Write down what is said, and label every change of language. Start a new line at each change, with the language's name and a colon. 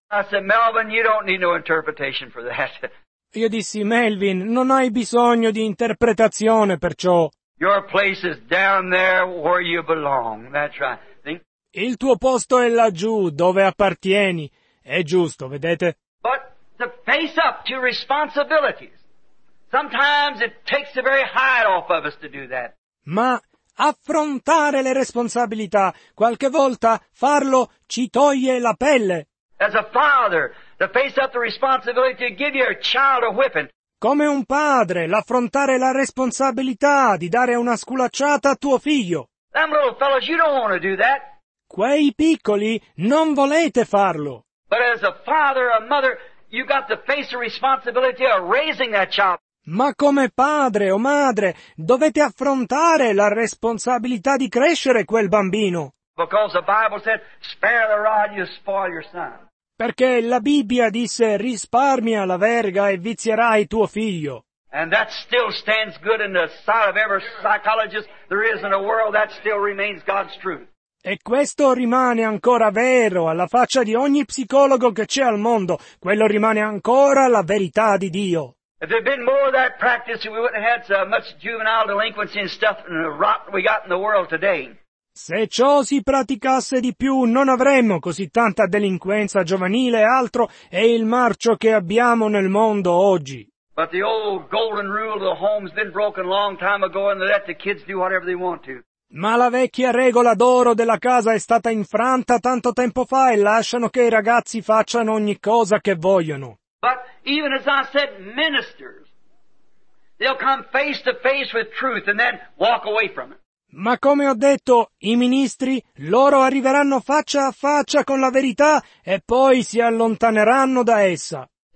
English: I said, Melvin, you don't need no interpretation for that.
Italian: Io dissi, Melvin, non hai bisogno di interpretazione per ciò.
English: Your place is down there where you belong. That's right. See?
Italian: Il tuo posto è laggiù, dove appartieni. È giusto, vedete?
English: But to face up to responsibilities. Sometimes it takes the very hide off of us to do that.
Italian: Ma affrontare le responsabilità, qualche volta farlo ci toglie la pelle.
English: As a father, to face up the responsibility to give your child a whipping.
Italian: Come un padre, l'affrontare la responsabilità di dare una sculacciata a tuo figlio.
English: Them little fellows, you don't want to do that.
Italian: Quei piccoli non volete farlo.
English: But as a father or mother, you got to face the responsibility of raising that child.
Italian: Ma come padre o madre dovete affrontare la responsabilità di crescere quel bambino.
English: Because the Bible said, spare the rod, you spoil your son.
Italian: Perché la Bibbia disse, risparmia la verga e vizierai tuo figlio.
English: And that still stands good in the sight of every psychologist there is in the world, that still remains God's truth.
Italian: E questo rimane ancora vero alla faccia di ogni psicologo che c'è al mondo, quello rimane ancora la verità di Dio.
English: If there'd been more of that practice, we wouldn't have had so much juvenile delinquency and stuff and the rot we got in the world today.
Italian: Se ciò si praticasse di più, non avremmo così tanta delinquenza giovanile e altro e il marcio che abbiamo nel mondo oggi.
English: But the old golden rule of the home's been broken a long time ago and they let the kids do whatever they want to.
Italian: Ma la vecchia regola d'oro della casa è stata infranta tanto tempo fa e lasciano che i ragazzi facciano ogni cosa che vogliono.
English: But even as I said, ministers. They'll come face to face with truth and then walk away from it.
Italian: Ma come ho detto, i ministri, loro arriveranno faccia a faccia con la verità e poi si allontaneranno da essa.